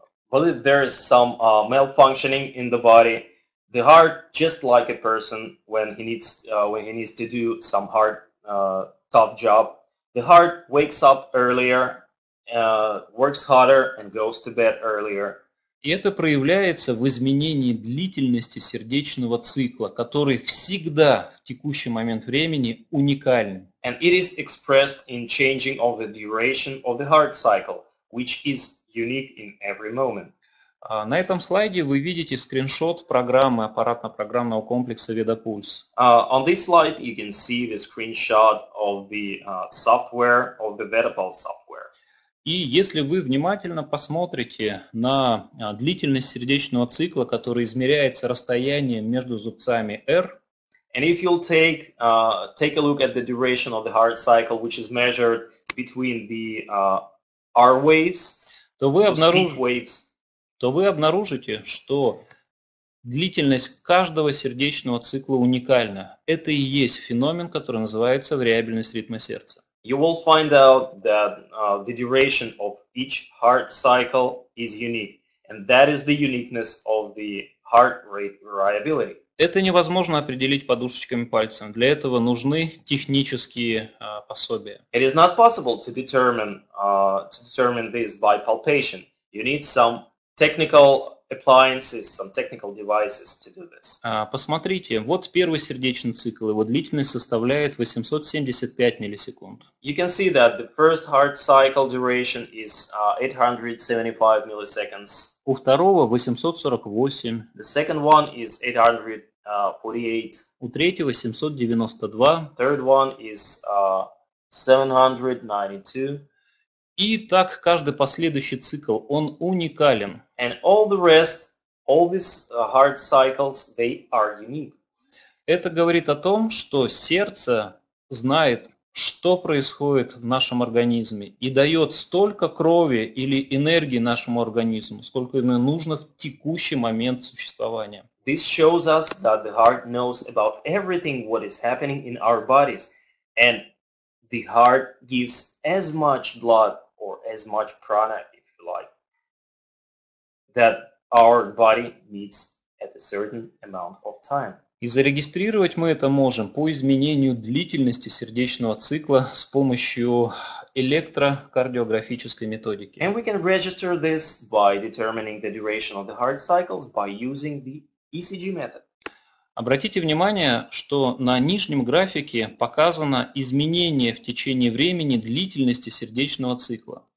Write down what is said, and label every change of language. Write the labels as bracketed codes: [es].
[en] But if there is some malfunctioning in the body, the heart, just like a person when he needs to do some hard tough job, the heart wakes up earlier, works harder and goes to bed earlier. [ru] И это проявляется в изменении длительности сердечного цикла, который всегда в текущий момент времени уникален. [en] And it is expressed in changing of the duration of the heart cycle, which is unique in every moment. [ru] На этом слайде вы видите скриншот программы аппаратно-программного комплекса VedaPulse. [en] On this slide you can see the screenshot of the software of the VedaPulse software. [ru] И если вы внимательно посмотрите на длительность сердечного цикла, который измеряется расстоянием между зубцами R, [en] and if you'll take a look at the duration of the heart cycle, which is measured between the R waves, [ru] то вы обнаружите, что длительность каждого сердечного цикла уникальна. Это и есть феномен, который называется вариабельность ритма сердца. [en] You will find out that the duration of each heart cycle is unique, and that is the uniqueness of the heart rate variability. [ru] Это невозможно определить подушечками пальцев. Для этого нужны технические пособия. [en] It is not possible to determine this by palpation. You need some technical appliances, some technical devices to do this. [ru] Посмотрите, вот первый сердечный цикл, его длительность составляет 875 миллисекунд. [en] You can see that the first heart cycle duration is 875 milliseconds. [ru] У второго 848. [en] The second one is 848. [ru] У третьего 792. [en] Third one is 792. [ru] И так каждый последующий цикл, он уникален. [en] And all the rest, all these heart cycles, they are unique. [ru] Это говорит о том, что сердце знает, что происходит в нашем организме и дает столько крови или энергии нашему организму, сколько ему нужно в текущий момент существования. [en] This shows us that the heart knows about everything what is happening in our bodies, and the heart gives as much blood or as much prana, if you like, that our body needs at a certain amount of time. [ru] И зарегистрировать мы это можем по изменению длительности сердечного цикла с помощью электрокардиографической методики. [en] And we can register this by determining the duration of the heart cycles by using the ECG method. [ru] Обратите внимание, что на нижнем графике показано изменение в течение времени длительности сердечного цикла.